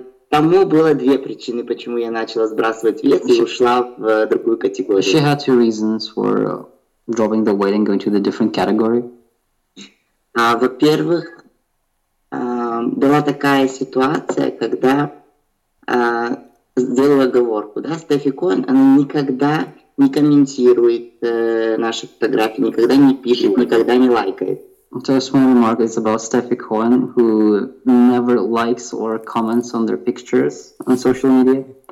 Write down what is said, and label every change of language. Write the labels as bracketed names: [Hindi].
[Russian] Тому было две причины, почему я начала сбрасывать вес и ушла в другую категорию. [English] She had two reasons for dropping the weight and going to the different category. [Russian] Во-первых, была такая ситуация, когда сделал оговорку, да, Steffi Cohen, она никогда не комментирует наши фотографии, никогда не пишет, никогда не лайкает. [English] Just one remark is about Steffi Cohen, who never likes or comments on their pictures on social media.